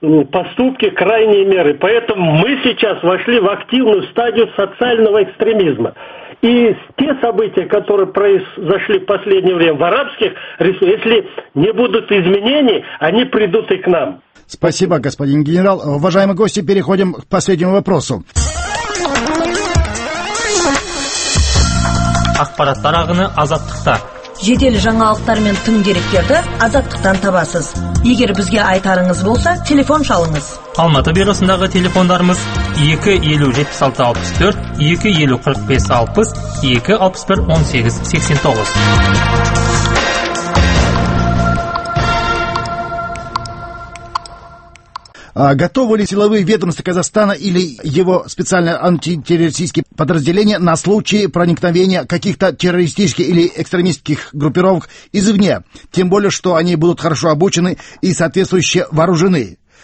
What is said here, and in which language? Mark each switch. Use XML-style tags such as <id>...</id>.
<ru>поступки, крайние меры. Поэтому мы сейчас вошли в активную стадию социального экстремизма. И те события, которые произошли в последнее время в арабских республиках, если не будут изменений, они придут и к нам. Спасибо, господин генерал. Уважаемые гости, переходим к последнему вопросу.</ru> <kk>Ақпараттар ағыны азаттықта. Жедел жаңалықтар мен тың деректерді азаттықтан табасыз. Егер бізге айтарыңыз болса, телефон шалыңыз. Алматы бюросындағы телефондарымыз 257664, 25460, 261889.</kk> <ru>Готовы ли силовые ведомства Казахстана или его специальное антитеррористическое подразделение на случай проникновения каких-то террористических или экстремистских группировок извне? Тем более, что они будут хорошо обучены и соответствующе вооружены.</ru>